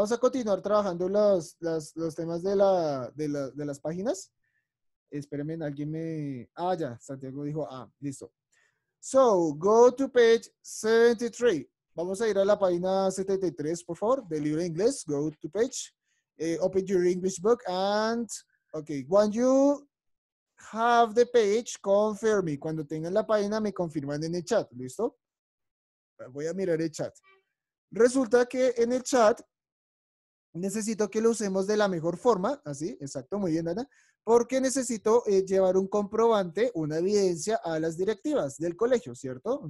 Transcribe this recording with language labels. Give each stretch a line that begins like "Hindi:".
Spanish: Vamos a continuar trabajando los temas de las páginas. Espérenme, alguien me. Ah, ya, Santiago dijo, ah, listo.
English: So, go to page 73.
Spanish: Vamos a ir a la página 73, por favor, del libro de inglés.
English: Go to page. Open your English book and, okay, when you have the page, confirm me.
Spanish: Cuando tengan la página, me confirman en el chat, ¿listo? Voy a mirar el chat. Resulta que en el chat necesito que lo usemos de la mejor forma, así, exacto, muy bien, Ana, porque necesito llevar un comprobante, una evidencia a las directivas del colegio, ¿cierto?